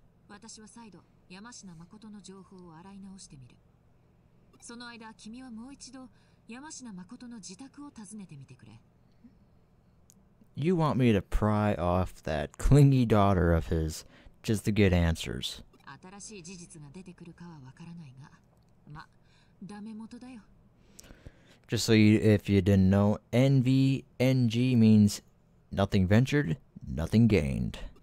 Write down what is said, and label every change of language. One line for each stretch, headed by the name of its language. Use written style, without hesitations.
English: You want me to pry off that clingy daughter of his just to get answers.
Japanese: 新しい事実が出てくるかは分からないが、まあ、ダメ元だよ。
English: Just so you, if you didn't know, NVNG means nothing ventured, nothing gained.